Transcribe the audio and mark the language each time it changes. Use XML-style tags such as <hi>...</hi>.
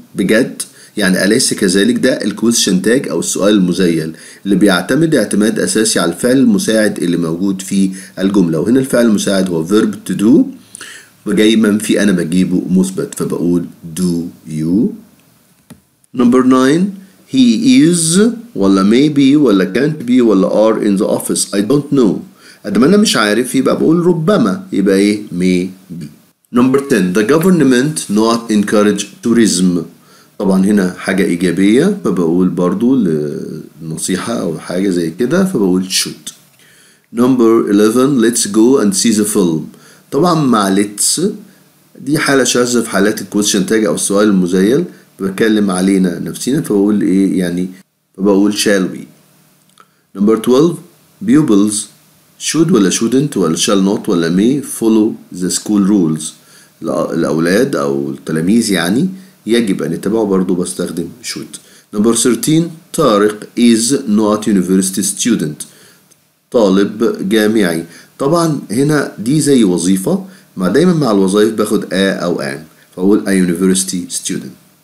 <ar>بجد؟ يعني أليس كذلك؟ ده الكويشن تاج أو السؤال المزيل اللي بيعتمد اعتماد أساسي على الفعل المساعد اللي موجود في الجملة، وهنا الفعل المساعد هو</ar> <en>verb to do،</en> <ar>وجاي منفي أنا بجيبه مثبت فبقول</ar> <en>do you. Number 9 he is ولا maybe ولا can't be ولا are in the office I don't know.</en> <ar>أدام أنا مش عارف يبقى بقول ربما، يبقى إيه؟ maybe.</ar> <en>Number 10 the government not encourage tourism.</en> <ar>طبعا هنا حاجة إيجابية فبقول برضو للنصيحة أو حاجة زي كده فبقول should.</ar> <en>Number 11 let's go and see the film.</en> <ar>طبعا مع let's دي حالة شاذة في حالات الكويشن تاج أو السؤال المزيل، بتكلم علينا نفسينا فبقول إيه يعني، فبقول</ar> <en>shall we. Number 12 pupils should ولا shouldn't ولا shall not ولا may follow the school rules.</en> <ar>الأولاد أو التلاميذ يعني يجب أن يتبعوا، برضو بستخدم should.</ar> <en>Number 13 Tariq is not university student،</en> <ar>طالب جامعي. طبعا هنا دي زي وظيفة، ما دايما مع الوظائف باخد a أو an فأقول</ar> <en>a university student.</en>